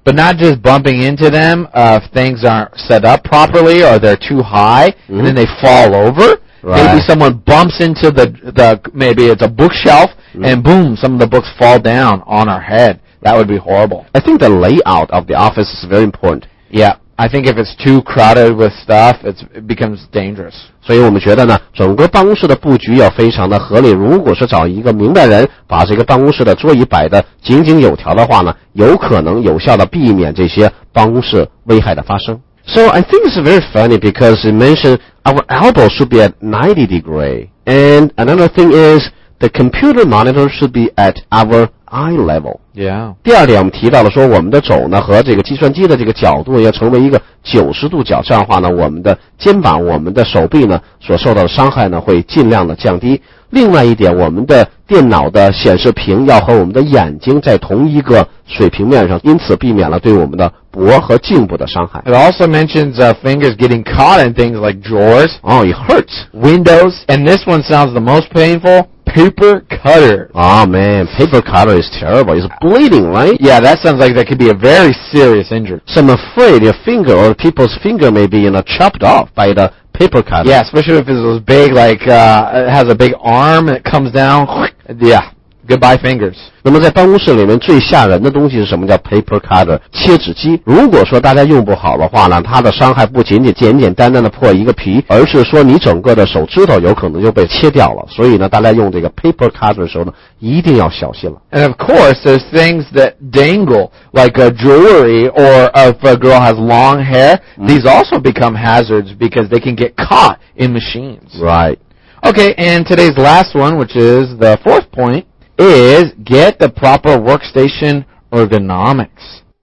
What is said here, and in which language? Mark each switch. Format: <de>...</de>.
<en>But not just bumping into them, if things aren't set up properly or they're too high, and then they fall over. Right. Maybe someone bumps into the maybe it's a bookshelf, and boom, some of the books fall down on our head. That would be horrible. I think the layout of the office is very important. Yeah, I think if it's too crowded with stuff, it becomes dangerous.</en> <zh>所以我们觉得呢，整个办公室的布局要非常的合理。如果是找一个明白人，把这个办公室的桌椅摆得井井有条的话呢，有可能有效的避免这些办公室危害的发生。</zh> <en>So I think it's very funny because you mentioned our elbow should be at 90 degree. And another thing is the computer monitor should be at our eye level. Yeah.</en> <zh>第二点我们提到了说我们的肘呢和这个计算机的这个角度要成为一个90度角，这样的话呢我们的肩膀我们的手臂呢所受到的伤害呢会尽量的降低。另外一点，我们的电脑的显示屏要和我们的眼睛在同一个水平面上，因此避免了对我们的脖和颈部的伤害。</zh> <en>It also mentions fingers getting caught in things like drawers. Oh, it hurts. Windows. And this one sounds the most painful. Paper cutter. Oh, man. Paper cutter is terrible. It's bleeding, right? Yeah, that sounds like that could be a very serious injury. So I'm afraid your finger or people's finger may be, you know, chopped off by the paper cutter. Yeah, especially if it's those big, like, it has a big arm and it comes down. Yeah. Goodbye fingers.</en> <zh>那么在办公室里面最吓人的东西是什么叫 paper cutter, 切纸机。如果说大家用不好的话呢，它的伤害不仅仅简简单单的破一个皮，而是说你整个的手指头有可能就被切掉了。所以呢大家用这个 paper cutter 的时候呢一定要小心了。</zh> <en>And of course, there's things that dangle, like a jewelry, or if a girl has long hair, these also become hazards because they can get caught in machines. Right. Okay, and today's last one, which is the fourth point,is get the proper workstation ergonomics.</en>